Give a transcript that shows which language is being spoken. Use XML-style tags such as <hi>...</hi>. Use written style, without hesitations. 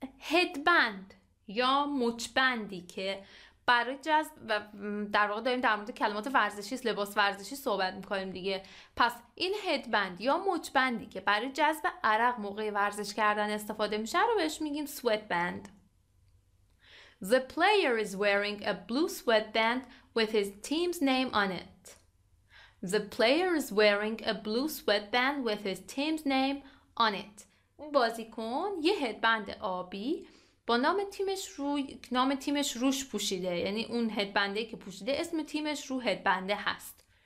<fa>Headband یا مچبندی که برای جذب و در واقع داریم در مورد کلمات ورزشی، لباس ورزشی صحبت میکنیم دیگه. پس این هدبند یا مچبندی که برای جذب عرق موقع ورزش کردن استفاده میشه رو بهش میگیم sweatband.</fa> <en>The player is wearing a blue sweatband with his team's name on it. The player is wearing a blue sweatband with his team's name on it.</en> <fa>اون بازیکن یه هدبند آبی با نام تیمش روش پوشیده، یعنی اون هدبنده که پوشیده اسم تیمش رو هدبنده هست.</fa>